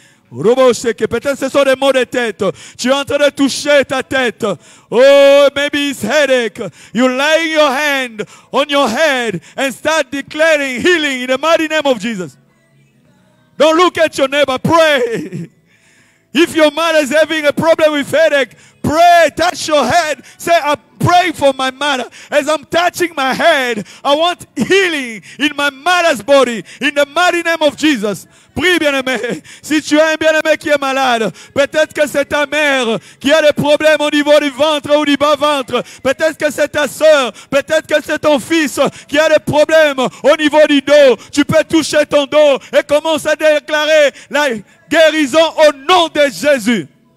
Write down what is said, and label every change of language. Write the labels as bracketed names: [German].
[French] Peut-être ce sont des maux de tête. Tu es en train de toucher ta tête. [English] Oh, maybe it's headache. You lay your hand on your head and start declaring healing in the mighty name of Jesus. Don't look at your neighbor. Pray. If your mother is having a problem with headache, pray. Touch your head. Say, I'm praying for my mother. As I'm touching my head, I want healing in my mother's body in the mighty name of Jesus. [French] Prie, bien-aimé. Si tu as un bien-aimé qui est malade, peut-être que c'est ta mère qui a des problèmes au niveau du ventre ou du bas-ventre. Peut-être que c'est ta sœur. Peut-être que c'est ton fils qui a des problèmes au niveau du dos. Tu peux toucher ton dos et commencer à déclarer la guérison au nom de Jésus.